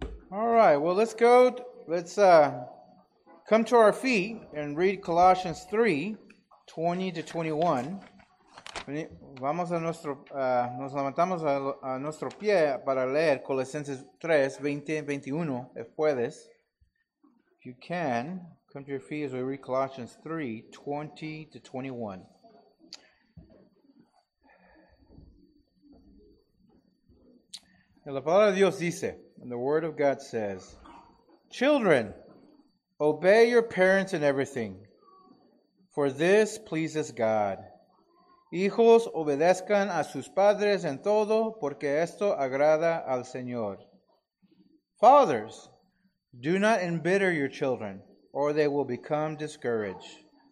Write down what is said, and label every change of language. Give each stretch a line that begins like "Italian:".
English: All right, well, let's go. Let's come to our feet and read Colossians 3, 20 to 21.
Spanish: Vamos a nuestro, nos levantamos a nuestro pie para leer Colosenses 3, 20 y 21, if puedes.
English: If you can, come to your feet as we read Colossians 3, 20 to 21.
Spanish: Y la palabra de Dios dice,
English: and the word of God says, children, obey your parents in everything, for this pleases God.
Spanish: Hijos, obedezcan a sus padres en todo, porque esto agrada al Señor.
English: Fathers, do not embitter your children, or they will become discouraged.